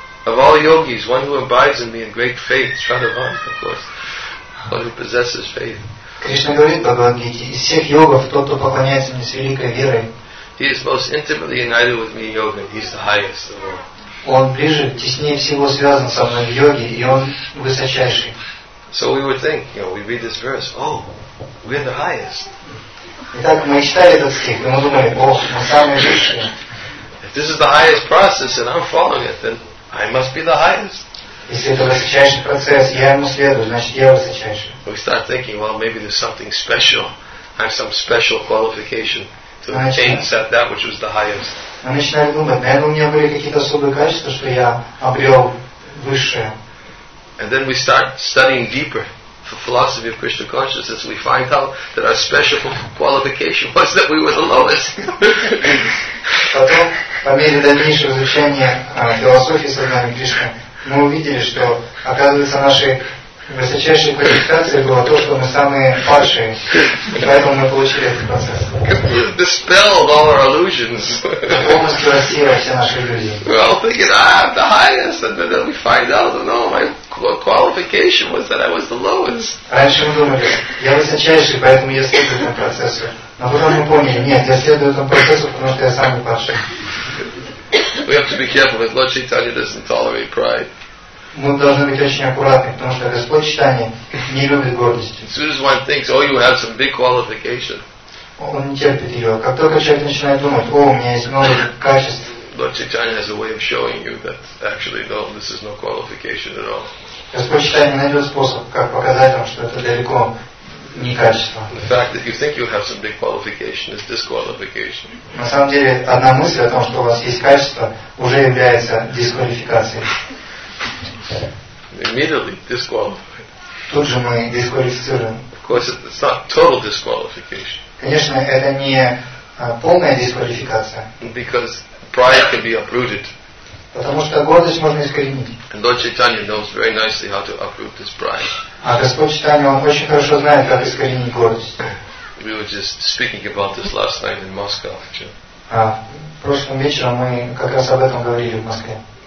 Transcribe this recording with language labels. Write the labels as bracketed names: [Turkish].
[English] Of all yogis, one who abides in me in great faith, Shadavan, of course. One who possesses faith. [Russian] Krishna говорит Bhagavad Gita, из всех йогов тот, кто поклоняется мне с великой верой. [English] He is most intimately united with me in yoga. He's the highest of all. [Russian] Он ближе, теснее всего связан со мной в йоге, и он высочайший. [English] So we would think, you know, we read this verse, oh, we're the highest. [Russian] Итак, мы читали этот стих, и мы думали, ох, мы самые высшие. [English] If this is the highest process and I'm following it, then I must be the highest. [Russian] Если это высочайший процесс, я ему следую, значит я высочайший. [English] We start thinking, well, maybe there's something special. I have some special qualification to attain that which was the highest. [Russian] Мы начинаем думать, наверное, у меня были какие-то особые качества, что я обрел высшее. [English] And then we start studying deeper. For philosophy of Krishna consciousness, we find out that our special qualification was that we were the lowest. [Russian] Потом, по мере дальнейшего изучения философии сознания Кришны, мы увидели, что оказывается наши высочайшие квалификации было то, что мы самые падшие, и поэтому мы получили этот процесс. [English] Dispelled all our illusions. [Russian] Полностью рассеяли все наши иллюзии. [English] We're all thinking, I'm the highest, and then we find out, no, my qualification was that I was the lowest. [Russian] Раньше мы думали, я высочайший, поэтому я следую этому процессу. Но потом мы поняли, нет, я следую этому процессу, потому что я самый падший. [English] We have to be careful, but Lord Chaitanya doesn't tolerate pride. [Russian] Мы должны быть очень аккуратны, потому что Господь Читание не любит гордости. [English] As soon as one thinks, oh, you have some big qualification. [Russian] Он не терпит ее. Как только человек начинает думать, о, у меня есть много качеств. [English] Lord Chaitanya has a way of showing you that actually, no, this is no qualification at all. [Russian] Господь Читание найдет способ, как показать вам, что это далеко не качество. [English] The fact that you think you have some big qualification is disqualification. [Russian] На самом деле, одна мысль о том, что у вас есть качество, уже является дисквалификацией. [English] Immediately disqualified. [Russian] Тут же мы дисквалифицируем. [English] Of course, it's not total disqualification. [Russian] Конечно, это не полная дисквалификация. [English] Because pride can be uprooted. [Russian] Потому что гордость можно искоренить. [English] And Lord Chaitanya knows very nicely how to uproot this pride. [Russian] А Господь Читание, он очень хорошо знает, как искоренить гордость. [English] We were just speaking about this last night in Moscow. [Russian] А прошлым вечером мы как раз об этом говорили в Москве.